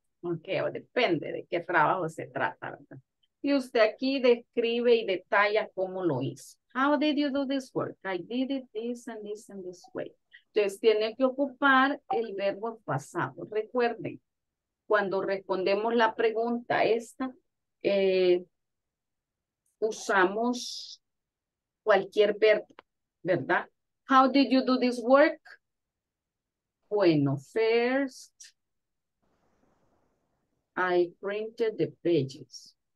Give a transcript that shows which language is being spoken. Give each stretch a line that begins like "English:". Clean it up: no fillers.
Spanish: Okay, o depende de qué trabajo se trata, ¿verdad? Y usted aquí describe y detalla cómo lo hizo.
English: How did you do this work? I did it this and this and this way.
Spanish: Entonces, tiene que ocupar el verbo pasado. Recuerden, cuando respondemos la pregunta esta, usamos cualquier verbo, ¿verdad?
English: How did you do this work? Bueno, first, I printed the pages.